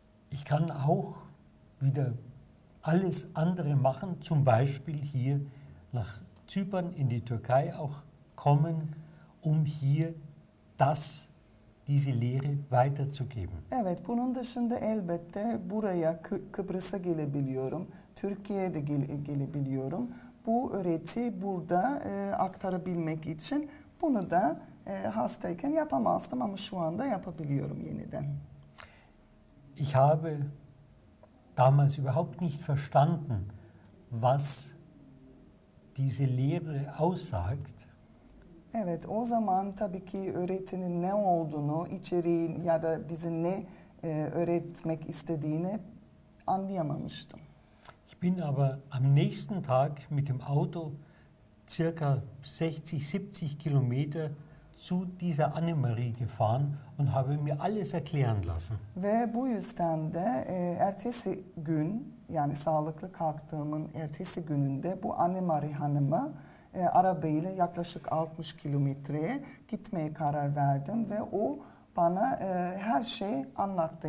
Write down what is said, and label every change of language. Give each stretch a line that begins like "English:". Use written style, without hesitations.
German: Ich kann auch wieder alles andere machen, zum Beispiel hier nach Zypern in die Türkei auch kommen, um hier das diese Lehre weiterzugeben.
Turkish: Evet, bunun dışında elbette buraya Kıbrıs'a gelebiliyorum, Türkiye'ye de gelebiliyorum. Bu öğreti burada aktarabilmek için bunu da hastayken yapamazdım ama şu anda yapabiliyorum yeniden.
German: Ich habe damals überhaupt nicht verstanden, was diese Lehre aussagt.
Turkish: Evet, o zaman tabii ki öğretinin ne olduğunu, içeriği ya da bizi ne öğretmek istediğini anlayamamıştım.
German: Ich bin aber am nächsten Tag mit dem Auto circa 60-70 Kilometer zu dieser Annemarie gefahren und habe mir alles erklären lassen.
Turkish: Ve bu yüzden de ertesi gün, yani sağlıklı kalktığımın ertesi gününde bu Annemarie Hanım'a arabayla yaklaşık 60 kilometreye gitmeye karar verdim ve o bana her şeyi anlattı.